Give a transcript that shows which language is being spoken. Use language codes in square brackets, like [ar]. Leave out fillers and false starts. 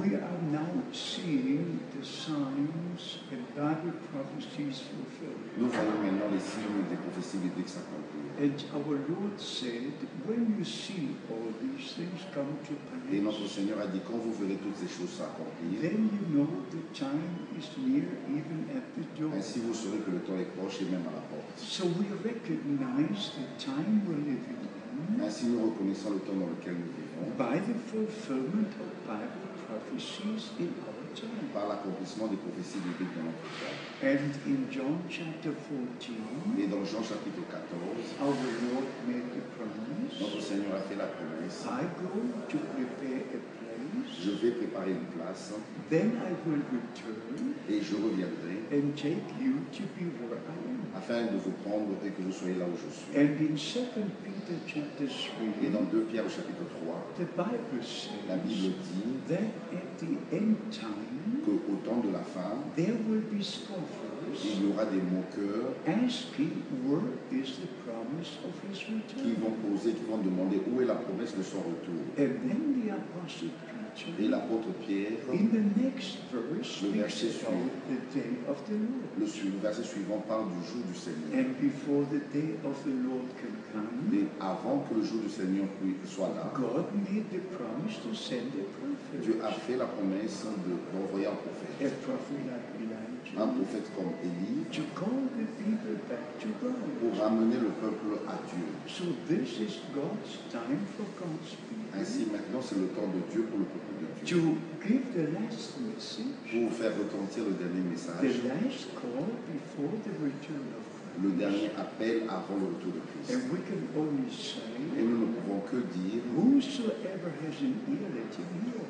[en] we are now seeing the signs and Bible prophecies fulfilled. [fr] Nous voyons maintenant les signes des prophéties bibliques s'accomplir. [en] And our Lord said, when you see all these things come to pass, [fr] et notre Seigneur a dit, quand vous verrez toutes ces choses s'accomplir, [en] then you know the time is near, even at the door. [fr] Ainsi vous saurez que le temps est proche et même à la porte. [en] So we recognize the time we're living in. [fr] Ainsi nous reconnaissons le temps dans lequel nous vivons. [en] By the fulfillment of Bible prophecies in our time. [fr] Par l'accomplissement des prophéties bibliques dans notre temps. [en] And in John chapter 14, [fr] et dans Jean chapitre 14, [en] our Lord made the promise, [fr] notre Seigneur a fait la promesse, [en] I go to prepare a place, [fr] je vais préparer une place, [en] then I will return, [fr] et je reviendrai, [en] and take you to be where I am, [fr] afin de vous prendre et que vous soyez là où je suis. [en] And in 2 Peter chapter 3, [fr] et dans 2 Pierre chapitre 3, [en] the Bible says, [fr] la Bible dit, [en] that at the end time, [fr] que au temps de la fin, [en] there will be scoffers, [fr] il y aura des moqueurs, [en] asking where is the promise of his return, [fr] qui vont poser, qui vont demander où est la promesse de son retour. [en] And then the apostle Peter, [fr] et l'apôtre Pierre, [en] in the next verse, [fr] le verset suivant, [en] the day of the Lord. [fr] Le verset suivant parle du jour du Seigneur. [en] And before the day of the Lord can come, [fr] mais avant que le jour du Seigneur soit là, [en] God made the promise to send a prophet. [fr] Dieu a fait la promesse d'envoyer un prophète. [en] A prophet like Elijah. [fr] Un prophète comme Élie, [en] to call the people back to God, [fr] pour ramener le peuple à Dieu. [en] So this is God's time for God's people. [fr] Ainsi, maintenant, c'est le temps de Dieu pour le peuple de Dieu. [en] To give the last message, [fr] pour faire retentir le dernier message. [en] The last call before the return of Christ. [fr] Le dernier appel avant le retour de Christ. [en] And we can only say, [fr] et nous ne pouvons que dire, [en] whosoever has an ear, let him hear,